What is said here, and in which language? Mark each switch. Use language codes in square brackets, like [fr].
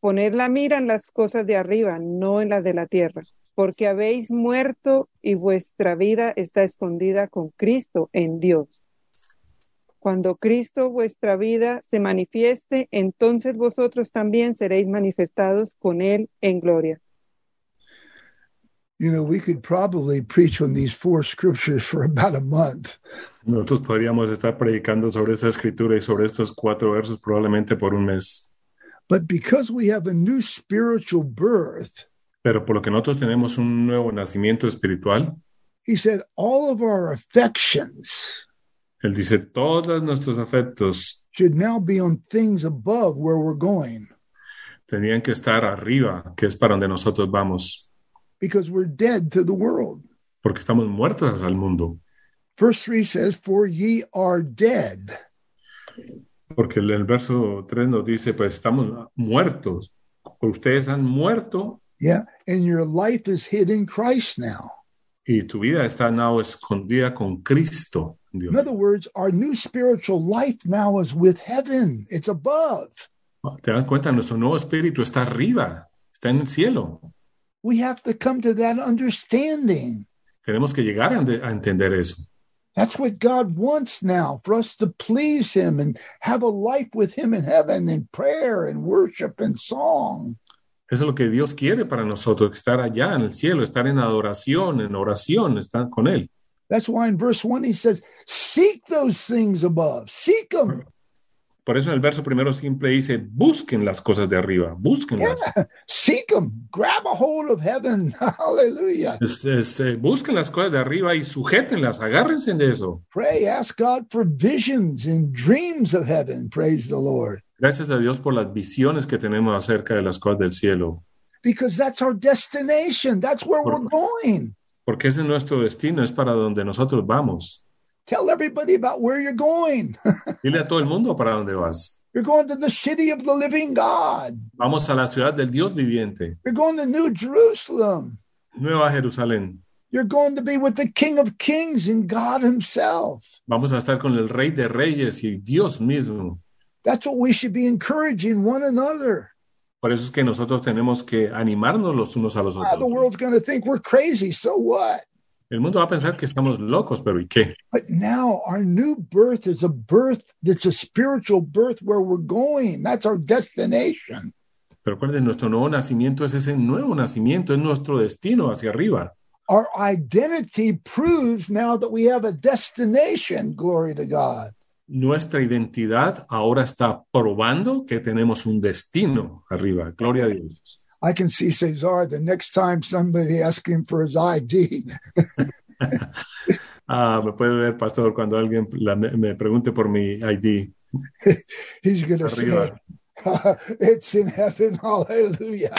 [es] Poned la mira en las cosas de arriba, no en las de la tierra, porque habéis muerto y vuestra vida está escondida con Cristo en Dios. Cuando Cristo, vuestra vida, se manifieste, entonces vosotros también seréis manifestados con Él en gloria. [en] You know, we could probably preach on these four scriptures for about a month. [es] Nosotros podríamos estar predicando sobre esta escritura y sobre estos cuatro versos probablemente por un mes. [en] But because we have a new spiritual birth, [es] pero por lo que nosotros tenemos un nuevo nacimiento espiritual, [en] he said all of our affections, [es] él dice todos nuestros afectos, [en] should now be on things above where we're going. [es] Tendrían que estar arriba, que es para donde nosotros vamos. [en] Because we're dead to the world. [es] Porque estamos muertos al mundo. [en] Verse 3 says, for ye are dead. [es] Porque el verso 3 nos dice, pues estamos muertos. Ustedes han muerto. [en] Yeah, and your life is hid in Christ now. [es] Y tu vida está now escondida con Cristo, Dios. [en] In other words, our new spiritual life now is with heaven. It's above. [es] Te das cuenta, nuestro nuevo espíritu está arriba. Está en el cielo. [en] We have to come to that understanding. [es] Tenemos que llegar a entender eso. [en] That's what God wants now, for us to please Him and have a life with Him in heaven in prayer and worship and song. [es] Eso es lo que Dios quiere para nosotros, estar allá en el cielo, estar en oración, estar con Él. [en] That's why in verse 1 He says, seek those things above, seek them. [es] Por eso en el verso primero simple dice, busquen las cosas de arriba, búsquenlas. [en] Yeah. Seek them, grab a hold of heaven, hallelujah. [es] Busquen las cosas de arriba y sujétenlas, agárrense de eso. [en] Pray, ask God for visions and dreams of heaven, praise the Lord. [es] Gracias a Dios por las visiones que tenemos acerca de las cosas del cielo. [en] Because that's our destination, that's where we're going. [es] Porque ese es nuestro destino, es para donde nosotros vamos. [en] Tell everybody about where you're going. [es] Dile a todo el mundo para dónde vas. [en] You're going to the city of the living God. [es] Vamos a la ciudad del Dios viviente. [en] You're going to New Jerusalem. [es] Nueva Jerusalén. [en] You're going to be with the King of Kings and God Himself. [es] Vamos a estar con el Rey de Reyes y Dios mismo. [en] That's what we should be encouraging one another. [es] Por eso es que nosotros tenemos que animarnos los unos a los otros. [en] The world's going to think we're crazy, so what? [es] El mundo va a pensar que estamos locos, pero ¿y qué? [en] But now our new birth is a birth that's a spiritual birth where we're going. That's our destination. [es] Pero recuerden, nuestro nuevo nacimiento es ese nuevo nacimiento, es nuestro destino hacia arriba. [en] Our identity proves now that we have a destination, glory to God. [es] Nuestra identidad ahora está probando que tenemos un destino arriba, gloria a Dios. [en] I can see Cesar the next time somebody asks him for his ID. [es] me puede ver, Pastor, cuando alguien me pregunte por mi ID. [en] He's going to say, it's in heaven, hallelujah.